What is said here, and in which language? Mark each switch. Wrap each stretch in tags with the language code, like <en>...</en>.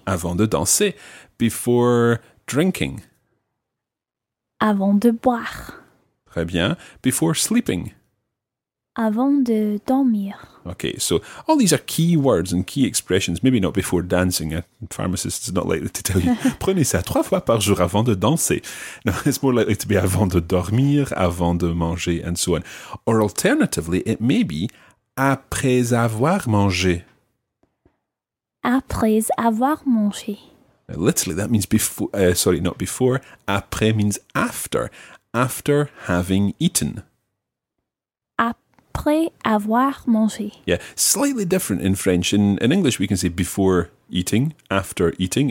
<fr>Avant de danser.</fr> <en>Before drinking.</en> <fr>Avant de boire. Très bien.</fr> <en>Before sleeping.</en> <fr>Avant de dormir.</fr> <en>Okay, so all these are key words and key expressions. Maybe not before dancing. A pharmacist is not likely to tell you.</en> <fr>Prenez ça trois fois par jour avant de danser.</fr> <en>No, it's more likely to be</en> <fr>avant de dormir, avant de manger,</fr> <en>and so on. Or alternatively, it may be</en> <fr>après avoir mangé. Après avoir mangé.</fr> <en>Literally, that means before. Sorry, not before. Après means after. After having eaten.</en> <fr>Après avoir mangé.</fr> <en>Yeah, slightly different in French. In English, we can say before eating, after eating.</en>